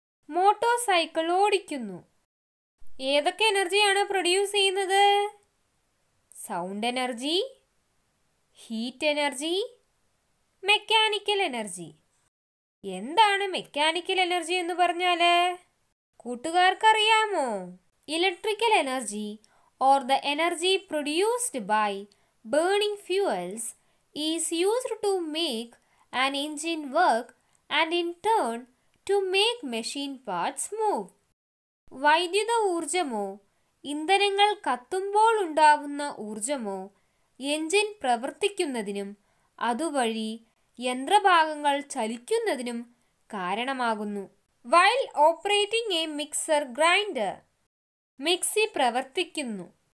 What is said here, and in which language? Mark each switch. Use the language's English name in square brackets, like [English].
[Malayalam] Motor cycle ഓടിക്കുന്നു. ഏതൊക്കെ എനർജിയാണ് പ്രൊഡ്യൂസ് ചെയ്യുന്നത്? Sound energy, heat energy, mechanical energy. എന്താണ് മെക്കാനിക്കൽ എനർജി എന്ന് പറഞ്ഞാൽ കൂട്ടുകാർക്കറിയാമോ? Electrical energy [English] or the energy produced by burning fuels is used to make an engine work and in turn to make machine parts move. [Malayalam] വൈദ്യുത ഊർജമോ ഇന്ധനങ്ങൾ കത്തുമ്പോൾ ഉണ്ടാവുന്ന ഊർജമോ engine പ്രവർത്തിക്കുന്നതിനും അതുവഴി യന്ത്രഭാഗങ്ങൾ ചലിക്കുന്നതിനും കാരണമാകുന്നു. [English] while operating a mixer grinder, [Malayalam] mixie പ്രവർത്തിക്കുന്നു.